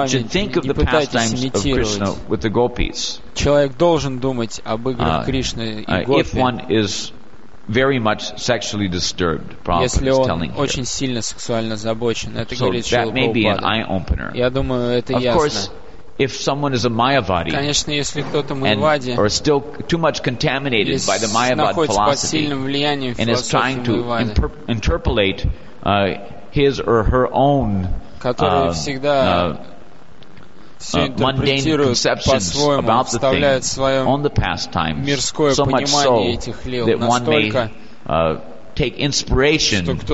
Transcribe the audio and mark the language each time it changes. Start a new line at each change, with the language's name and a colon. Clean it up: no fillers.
English: one should think of the pastimes of Krishna with the gopis.
Russian: Человек должен думать об играх Кришны и Гопи.
English: If one is very much sexually disturbed, Prabhupada is telling here.
Russian: Если он очень сильно сексуально озабочен, это
English: so
Russian: говорит Шрила
English: Прабхупада. That may be an eye opener.
Russian: Я думаю, это
English: of
Russian: ясно.
English: Of course, if someone is a Mayavadi,
Russian: конечно, если кто-то Майявади,
English: or still too much contaminated by the Mayavad philosophy, and is trying to interpolate his or her own mundane conceptions about the things on the pastimes, so much so that one may take inspiration